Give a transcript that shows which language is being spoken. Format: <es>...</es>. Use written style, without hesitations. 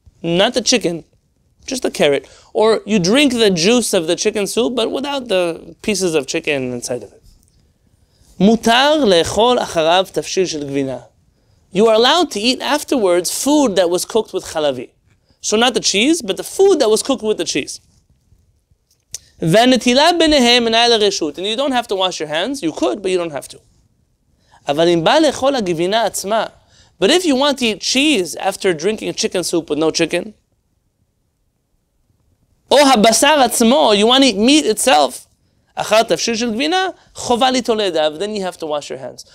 <en>Not the chicken, just the carrot. Or you drink the juice of the chicken soup, but without the pieces of chicken inside of it.</en> <he>Mutar le'chol acharav tafshir shel gvina.</he> <en>You are allowed to eat afterwards food that was cooked with chalavi. So not the cheese, but the food that was cooked with the cheese.</en> <he>והנטילה ביניהם אינה אלא רשות.</he> <en>And you don't have to wash your hands. You could, but you don't have to.</en> <he>אבל אם בא לאכול הגבינה עצמה,</he> <en>but if you want to eat cheese after drinking chicken soup with no chicken,</en> <he>או הבשר עצמו,</he> <en>you want to eat meat itself,</en> <he>אחר תפשיר של גבינה, חובה ליטול ידיו,</he> <en>then you have to wash your hands.</en>